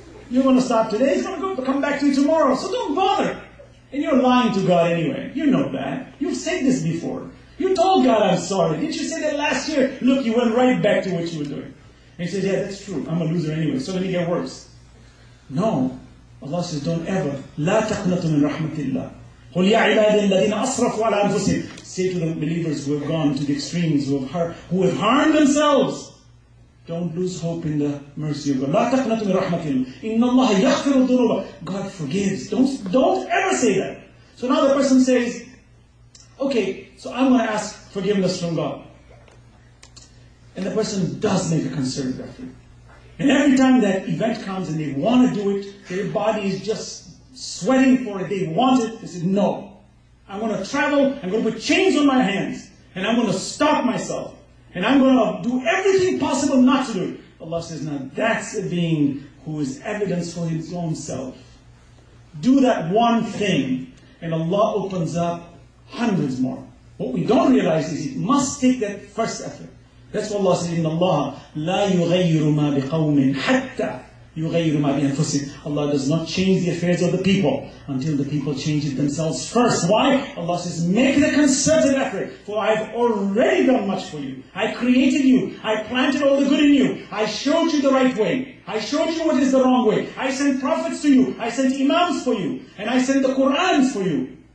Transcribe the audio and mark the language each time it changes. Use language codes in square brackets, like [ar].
[en] You're going to stop today, it's going to come back to you tomorrow, so don't bother. And you're lying to God anyway. You know that. You've said this before. You told God I'm sorry. Didn't you say that last year? Look, you went right back to what you were doing. And he says, yeah, that's true. I'm a loser anyway, so let me get worse. No. Allah says, don't ever. [ar] لا تقنطوا من رحمة الله. قل يا عبادي الذين أسرفوا على أنفسهم. [en] Say to the believers who have gone to the extremes, who have harmed themselves, don't lose hope in the mercy of God. [ar] لا تقنطوا من رحمة الله. إن الله يغفر الذنوب. [en] God forgives. Don't ever say that. So now the person says, okay, so I'm going to ask forgiveness from God. And the person does make a concerted effort. And every time that event comes and they want to do it, their body is just sweating for it, they want it, they say, no. I'm going to travel, I'm going to put chains on my hands, and I'm going to stop myself, and I'm going to do everything possible not to do it. Allah says, now that's a being who is evidence for his own self. Do that one thing, and Allah opens up hundreds more. What we don't realize is it must take that first effort. That's what Allah says, [ar] إِنَّ اللَّهَ لَا يُغَيِّرُ مَا بِقَوْمٍ حَتَّى يُغَيِّرُ مَا بِأَنفُسِهِ. [en] Allah does not change the affairs of the people until the people change it themselves first. Why? Allah says, make the concerted effort, for I have already done much for you. I created you. I planted all the good in you. I showed you the right way. I showed you what is the wrong way. I sent prophets to you. I sent imams for you. And I sent the Qur'ans for you.